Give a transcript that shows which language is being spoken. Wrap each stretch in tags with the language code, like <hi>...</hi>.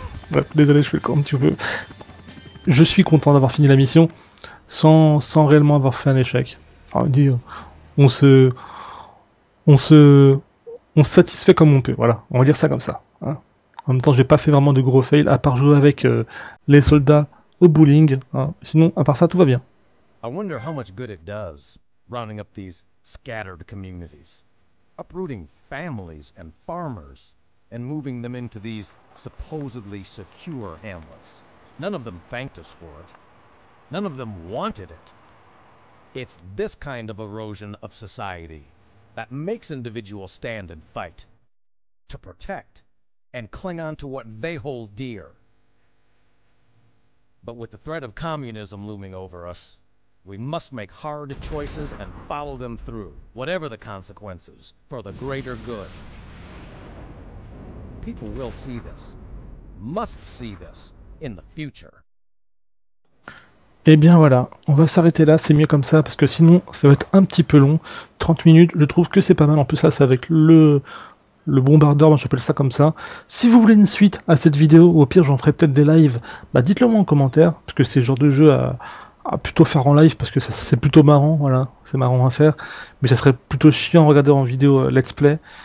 <fr>Bref, désolé, je fais le corps un petit peu. Je suis content d'avoir fini la mission, sans réellement avoir fait un échec. On se satisfait comme on peut, voilà, on va dire ça comme ça. Hein. En même temps, j'ai pas fait vraiment de gros fails, à part jouer avec les soldats, au bowling, hein. Sinon, à part ça, tout va bien.</fr> <en>I wonder how much good it does, rounding up these scattered communities, uprooting families and farmers, and moving them into these supposedly secure hamlets. None of them thanked us for it. None of them wanted it. It's this kind of erosion of society that makes individuals stand and fight, to protect, and cling on to what they hold dear. But with the threat of communism looming over us, we must make hard choices and follow them through, whatever the consequences, for the greater good. People will see this, must see this, in the future.</en> <fr>Eh bien voilà, on va s'arrêter là, c'est mieux comme ça, parce que sinon, ça va être un petit peu long. 30 minutes, je trouve que c'est pas mal, en plus là, c'est avec le bombardeur, moi j'appelle ça comme ça. Si vous voulez une suite à cette vidéo, ou au pire j'en ferai peut-être des lives, bah dites-le moi en commentaire, parce que c'est le genre de jeu à plutôt faire en live, parce que ça, c'est plutôt marrant, voilà, c'est marrant à faire, mais ça serait plutôt chiant à regarder en vidéo</fr> <en>let's play.</en>